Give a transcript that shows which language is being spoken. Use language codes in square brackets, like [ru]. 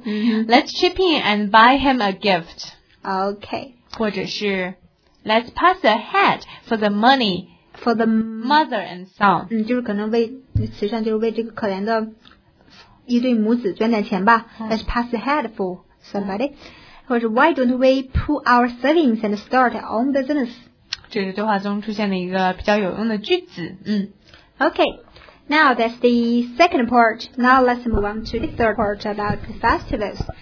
[en] Let's chip in and buy him a gift. Okay. [zh] 或者是 [en] Let's pass a hat for the money for the mother and son. [zh] 就是可能为慈善，就是为这个可怜的一对母子捐点钱吧。 [en] Let's pass a hat for somebody. [zh] 或者 [en] Why don't we pull our savings and start our own business? [zh] 这是对话中出现的一个比较有用的句子。 [en] Okay. Now that's the second part. Now let's move on to the third part about the festivals.